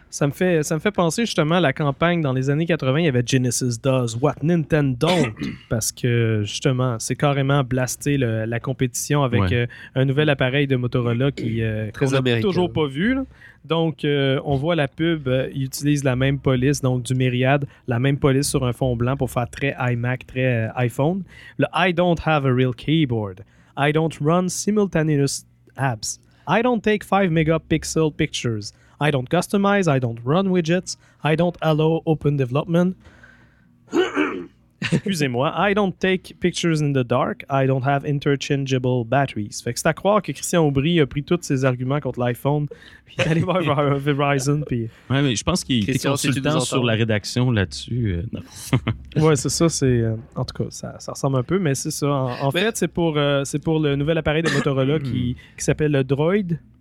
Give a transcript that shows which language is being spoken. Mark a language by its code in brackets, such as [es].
[fr] Ça me fait penser justement à la campagne dans les années 80, il y avait [en] Genesis Does, What Nintendo Don't, [fr] parce que justement, c'est carrément blasté la compétition avec un nouvel appareil de Motorola qu'on n'a toujours pas vu. Là. Donc, on voit la pub, ils utilisent la même police, donc du Myriad, la même police sur un fond blanc pour faire très iMac, très iPhone. Le « [en] I don't have a real keyboard ». I don't run simultaneous apps. I don't take 5 megapixel pictures. I don't customize. I don't run widgets. I don't allow open development. [fr] Excusez-moi. [en] I don't take pictures in the dark. I don't have interchangeable batteries. [fr] Fait que c'est à croire que Christian Aubry a pris tous ses arguments contre l'iPhone. Puis il est allé voir Verizon. Puis... Oui, mais je pense qu'il était consultant sur la rédaction là-dessus. Oui, c'est ça. C'est... En tout cas, ça ressemble un peu, mais c'est ça. En fait, c'est pour le nouvel appareil de Motorola qui s'appelle le Droid.